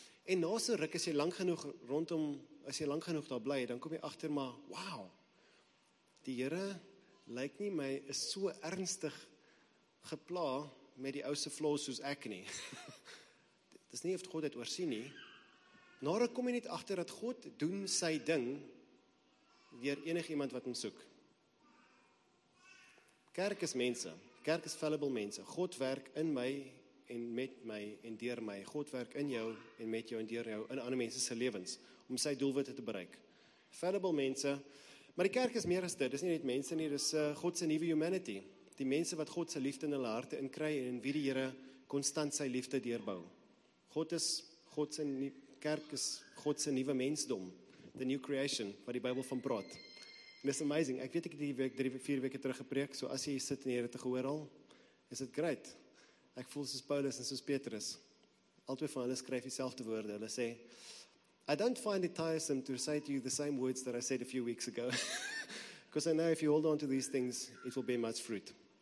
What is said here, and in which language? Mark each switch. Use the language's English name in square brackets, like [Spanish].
[Afrikaans] En na so ruk, as jy lang genoeg daar bly, dan kom jy achter, maar wow, die Here lyk nie my is so ernstig gepla met die ouse flaws soos ek nie. Dit is nie of God het oorsien nie. Na ruk kom jy net achter dat God doen sy ding deur enig iemand wat hom soek. Kerk is mense, kerk is fallible mense. God werk in my en met my en deur my. God werk in jou en met jou en deur jou in ander mense se lewens om sy doelwitte te bereik. Fallible mense, maar die kerk is meer as dit. Dis nie net mense nie, dis God se nuwe humanity. Die mense wat God se liefde in hulle harte inkry en in wie die Here konstant sy liefde deurbou. Kerk is God se nuwe mensdom, [English] the new creation [Afrikaans] wat die Bybel van praat. [English] And it's amazing. [Afrikaans] Ek weet ek het die week 3-4 weke terug gepreek, so as jy sit en jy het dit gehoor al, is dit great. Ek voel soos Paulus en soos Petrus. Altwee van hulle skryf dieselfde woorde. Hulle sê, [English] I don't find it tiresome to recite you the same words that I said a few weeks ago. Because I know if you hold on to these things, it will bear much fruit.